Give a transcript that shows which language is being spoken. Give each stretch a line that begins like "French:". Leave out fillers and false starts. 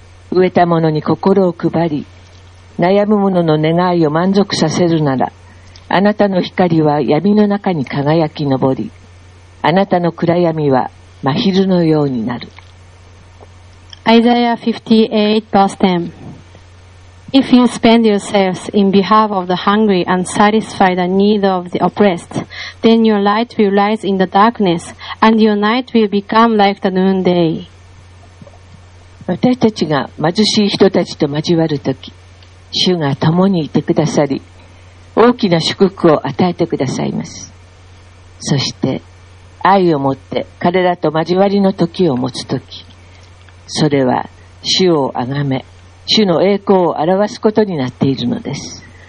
Japanese: 植えた者に心を配り、悩む者の願いを満足させるなら、あなたの光は闇の中に輝き昇り、あなたの暗闇は真昼のようになる。
English: Isaiah 58 verse 10. If you spend yourselves in behalf of the hungry and satisfy the need of the oppressed, then your light will rise in the darkness, and your night will become like the noonday.
Japanese: 私たちが貧しい人たちと交わるとき、主が共にいてくださり、大きな祝福を与えてくださいます。そして、愛を持って彼らと交わりの時を持つとき、それは主をあがめ、主の栄光を表すことになっているのです。